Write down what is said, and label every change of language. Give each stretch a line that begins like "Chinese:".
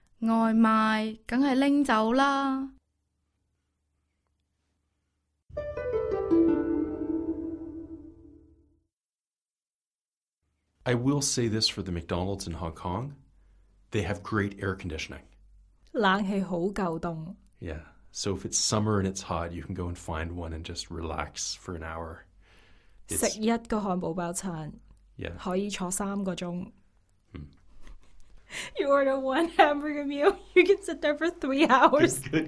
Cantonese: 外賣當然拎走啦。
English: I will say this for the McDonald's in Hong Kong. They have great air conditioning.
Cantonese: 冷氣好夠凍。Yeah,
English: so if it's summer and it's hot, you can go and find one and just relax for an hour.
Cantonese: 食一個漢堡包餐,可以坐三個鐘。
English: You order one hamburger meal, you can sit there for 3 hours.